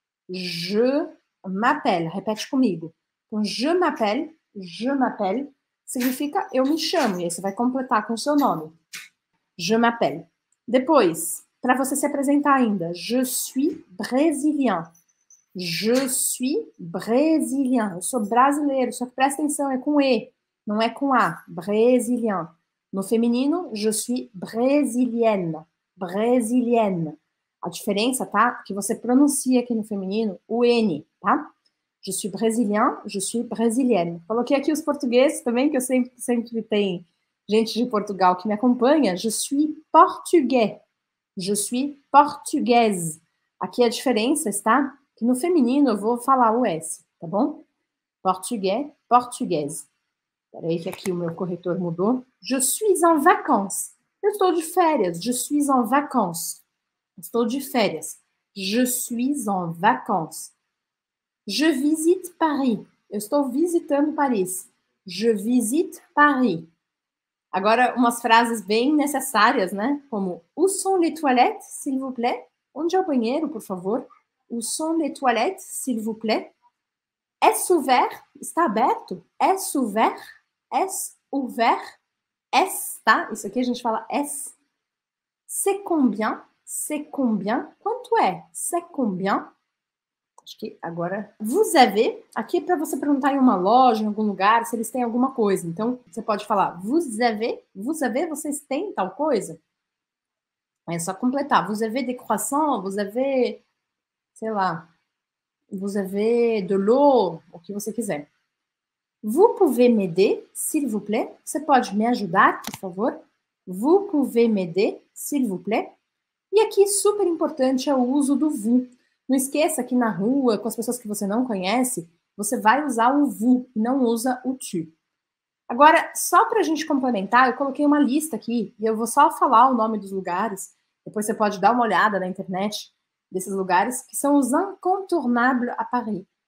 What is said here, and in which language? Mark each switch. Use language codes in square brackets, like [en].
[fr] Je m'appelle. [pt] Repete comigo. Então, je m'appelle, significa eu me chamo. E aí você vai completar com o seu nome. Je m'appelle. Depois, para você se apresentar ainda, [fr] je suis brésilien. Je suis brésilien. [pt] Eu sou brasileiro, só que presta atenção, é com E, não é com A. [fr] Brésilien. [pt] No feminino, [fr] je suis brésilienne. [pt] Brésilienne. A diferença, tá? Que você pronuncia aqui no feminino o N, tá? [fr] Je suis brésilien, je suis brésilienne. [pt] Coloquei aqui os portugueses também, que eu sempre tem gente de Portugal que me acompanha. [fr] Je suis portugais. Je suis portugaise. [pt] Aqui a diferença está que no feminino eu vou falar o S, tá bom? [fr] Portugais, portuguaise. [pt] Peraí que aqui o meu corretor mudou. [fr] Je suis en vacances. [pt] Eu estou de férias. [fr] Je suis en vacances. [pt] Estou de férias. [fr] Je suis en vacances. Je visite Paris. [pt] Eu estou visitando Paris. [fr] Je visite Paris. [pt] Agora, umas frases bem necessárias, né? Como: [fr] Où sont les toilettes, s'il vous plaît? [pt] Onde é o banheiro, por favor? [fr] Où sont les toilettes, s'il vous plaît? Est-ce ouvert? [pt] Está aberto? [fr] Est-ce ouvert? Est-ce ouvert? Est, tá? [pt] Isso aqui a gente fala est. [fr] C'est combien? C'est combien? [pt] Quanto é? [fr] C'est combien? [pt] Acho que agora. [fr] Vous avez? [pt] Aqui é para você perguntar em uma loja, em algum lugar, se eles têm alguma coisa. Então, você pode falar: [fr] Vous avez? Vous avez? [pt] Vocês têm tal coisa? É só completar. [fr] Vous avez des croissants? Vous avez. [pt] Sei lá. [fr] Vous avez de l'eau? [pt] O que você quiser. [fr] Vous pouvez m'aider, s'il vous plaît? [pt] Você pode me ajudar, por favor? [fr] Vous pouvez m'aider, s'il vous plaît? [pt] E aqui, super importante, é o uso do vous. Não esqueça que na rua, com as pessoas que você não conhece, você vai usar o vous, não usa o tu. Agora, só para a gente complementar, eu coloquei uma lista aqui, e eu vou só falar o nome dos lugares, depois você pode dar uma olhada na internet desses lugares, que são os [fr] incontournables à Paris.